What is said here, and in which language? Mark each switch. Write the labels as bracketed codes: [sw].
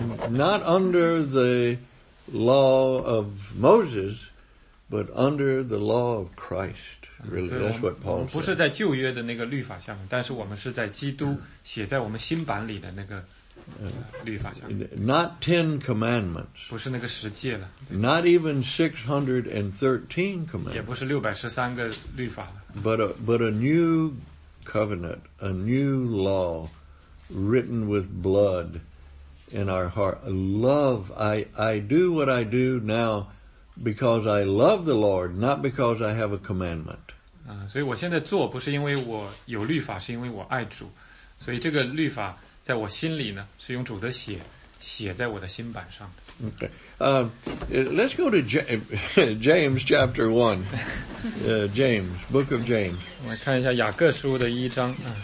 [en] Not under the law of Moses,But under the law of Christ, really, that's what Paul says. [zh] 不是在旧约的那个律法下面，但是我们是在基督写在我们新版里的那个律法下面。 [en] Not 10 commandments. [zh] 不是那个十诫了。 [en] Not even 613 commandments. [zh] 也不是613个律法了。 [en] But a new covenant, a new law, written with blood, in our heart. Love. I do what I do now because I love the Lord, not because I have a commandment. [zh] 所以我现在做不是因为我有律法，是因为我爱主。所以这个律法在我心里呢，是用主的血写在我的心板上的。 [en] Okay. Let's go to James chapter 1. James, book of James. [zh] 我们看一下雅各书的一章。